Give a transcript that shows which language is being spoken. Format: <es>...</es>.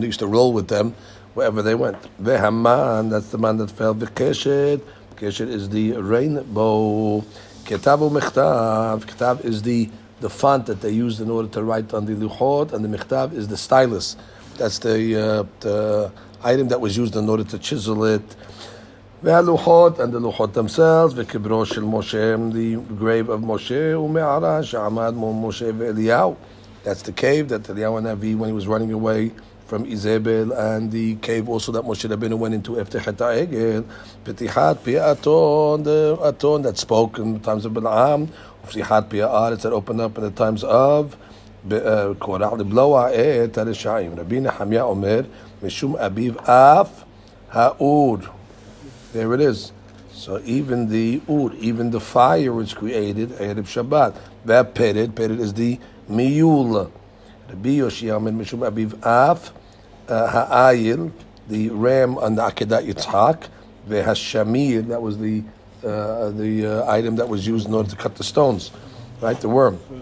<en>They used to roll with them wherever they went. Ve'haman, that's the man that fell. V'keshet, keshet is the rainbow. Ketav u'mechtav, ketav is the font that they used in order to write on the luchot, and the mechtav is the stylus. That's the item that was used in order to chisel it.</en> <he>והלוחות,</he> <en>and the luchot themselves,</en> <he>וקברו של משה,</he> <en>the grave of Moshe,</en> <he>ומערה שעמד מול משה ואליהו.</he> <en>That's the cave that Eliyahu Navi, when he was running away from Isabel, and the cave also that Moshe Rabbeinu went into, after Chet Ha'Egel,</en> <he>פתיחת פי האתון,</he> <en>the aton that spoke in the times of Bil'am,</en> <he>ופתיחת פי הארץ</he> <en>that opened up in the times of Korach,</en> <he>לבלוע את הרשעים. רבי נחמיה אומר, משום אביב אף האור.</he> <en>There it is. So even the Ur, even the fire was created Erev Shabbat. That Pered is the Miyul. Rabbi Yoshiyah Men Mishum Abiv Af Ha'ayil, the ram on the Akedat Yitzhak, the hashamir, that was the item that was used in order to cut the stones, right? The worm.</en>